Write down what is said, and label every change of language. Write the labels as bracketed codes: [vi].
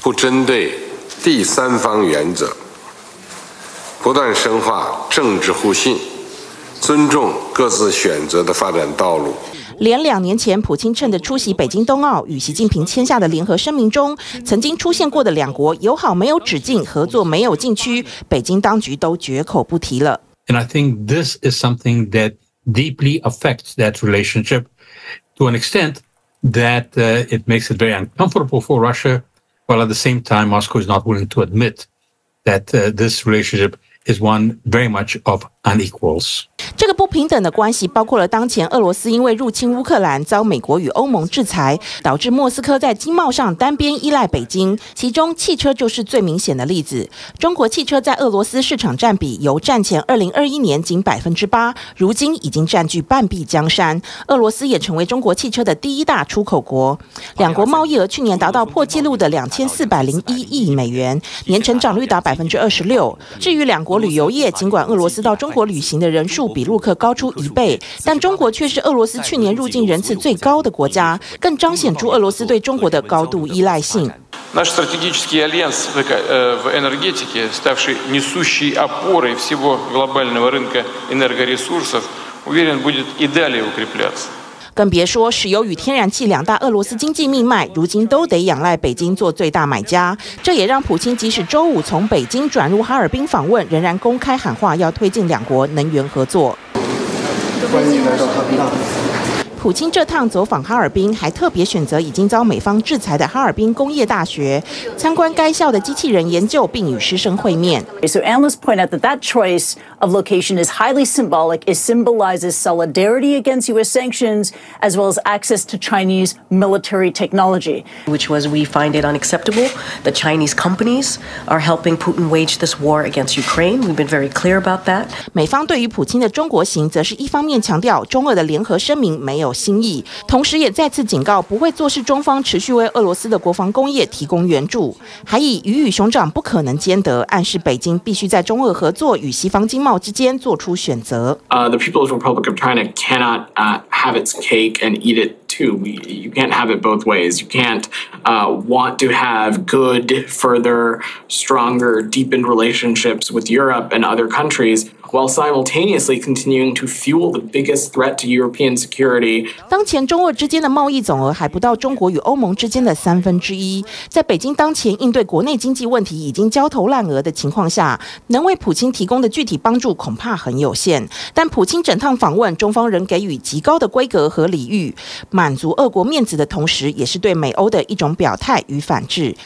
[zh] 不针对第三方原则，不断深化政治互信，尊重各自选择的发展道路。连两年前普京趁着出席北京冬奥与习近平签下的联合声明中曾经出现过的两国友好没有止境、合作没有禁区，北京当局都绝口不提了。 [en] And I think this is something that deeply affects that relationship to an extent that it makes it very uncomfortable for Russia, while at the same time Moscow is not willing to admit that this relationship is one very much of unequals. [zh] 这个不平等的关系包括了当前俄罗斯因为入侵乌克兰遭美国与欧盟制裁，导致莫斯科在经贸上单边依赖北京，其中汽车就是最明显的例子。中国汽车在俄罗斯市场占比由战前2021年仅 8%， 如今已经占据半壁江山，俄罗斯也成为中国汽车的第一大出口国。两国贸易额去年达到破纪录的2401亿美元，年成长率达 26%。至于两国旅游业，尽管俄罗斯到中国旅行的人数比陆客高出一倍，但中国却是俄罗斯去年入境人次最高的国家，更彰显出俄罗斯对中国的高度依赖性。 [ru] Наш стратегический альянс в энергетике, ставший несущей опорой всего глобального рынка энергоресурсов, уверен, будет и далее укрепляться. [zh] 更别说石油与天然气两大俄罗斯经济命脉，如今都得仰赖北京做最大买家。这也让普京即使周五从北京转入哈尔滨访问，仍然公开喊话要推进两国能源合作。欢迎来到哈尔滨。普京这趟走访哈尔滨，还特别选择已经遭美方制裁的哈尔滨工业大学，参观该校的机器人研究，并与师生会面。 [en] So analysts point out that that choice of location is highly symbolic. It symbolizes solidarity against U.S. sanctions as well as access to Chinese military technology. Which was we find it unacceptable that Chinese companies are helping Putin wage this war against Ukraine. We've been very clear about that. [zh] 美方对于普京的中国行，则是一方面强调中俄的联合声明没有新意，同时也再次警告不会坐视中方持续为俄罗斯的国防工业提供援助，还以鱼与熊掌不可能兼得，暗示北京必须在中俄合作与西方经贸之间做出选择。 [en] The People's Republic of China cannot have its cake and eat it too. You can't have it both ways. You can't want to have good, further, stronger, deepened relationships with Europe and other countries. While simultaneously continuing to fuel the biggest threat to European security, [zh] 当前中俄之间的贸易总额还不到中国与欧盟之间的三分之一。在北京当前应对国内经济问题已经焦头烂额的情况下，能为普京提供的具体帮助恐怕很有限。但普京整趟访问，中方仍给予极高的规格和礼遇，满足俄国面子的同时，也是对美欧的一种表态与反制。